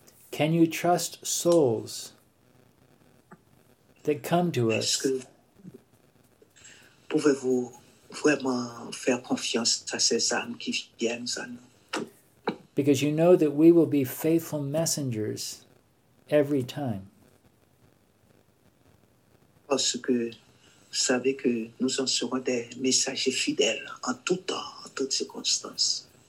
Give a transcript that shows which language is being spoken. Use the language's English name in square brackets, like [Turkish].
[English] Can you trust souls that come to us? [French] Pouvez-vous vraiment faire confiance à ces âmes qui viennent à nous? [English] Because you know that we will be faithful messengers every time. [French] Parce que vous savez que nous en serons des messagers fidèles en tout temps, en toutes circonstances.